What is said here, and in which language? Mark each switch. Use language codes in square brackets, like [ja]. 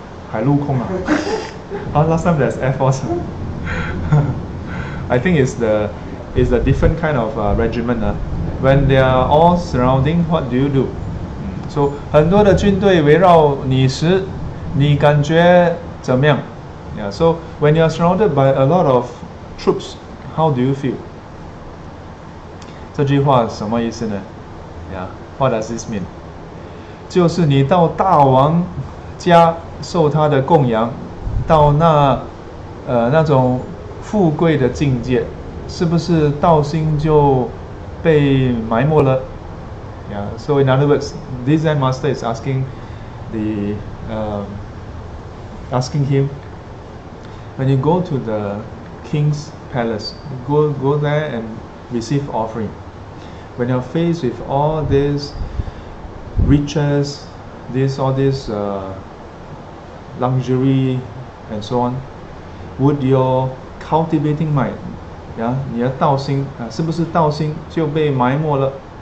[zh] 海陆空, [en] huh? Oh, last time there's Air Force, huh? I think it's the different kind of regiment, huh? When they are all surrounding, what do you do? [zh] So 很多的军队围绕你时, 你感觉怎么样? [en] Yeah, so when you are surrounded by a lot of troops, how do you feel? [zh] 这句话什么意思呢? [en] Yeah, what does this mean? [zh] 就是你到大王家受他的供养, 到那种富贵的境界, 是不是道心就被埋没了? [en] Yeah, so in other words, this Zen master is asking him, when you go to the king's palace, go there and receive offering. When you're faced with all these riches, luxury, and so on, would your cultivating mind, yeah, [zh] 你的道心, 是不是道心就被埋没了?